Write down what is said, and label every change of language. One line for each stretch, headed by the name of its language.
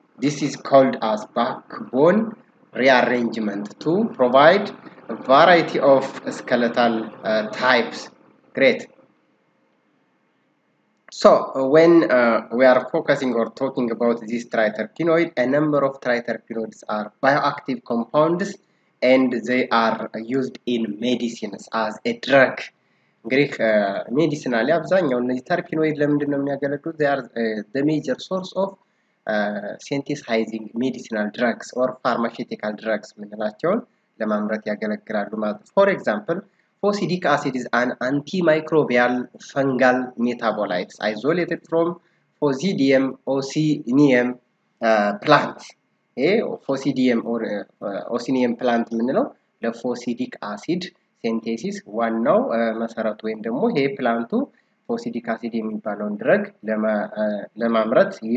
English: This is called as backbone rearrangement to provide a variety of skeletal types. Great. So when we are focusing or talking about this triterpenoid, a number of triterpenoids are bioactive compounds and they are used in medicines as a drug.
Amharic: እንግዲህ ሜዲሲናሊ አብዛኛው እነዚህ ተርፒኖይድ ለምንድን ነው የሚያገለግሉት?
English: They are the major source of synthesizing medicinal drugs or pharmaceutical drugs
Amharic: ምንላቸውን ለማምረት ያገለግላሉ ማለት ነው።
English: For example, phosphoric acid is an antimicrobial fungal metabolite isolated from Phosidium ocineum plant.
Amharic: Phosidium or ocineum plant ምንለው ለphosphoric acid synthesis ዋናው መሰረቱ ወይም ደግሞ ይሄ ፕላንቱ ፎሲዲክ አሲድ የሚባለውን ድረግ ለማምረት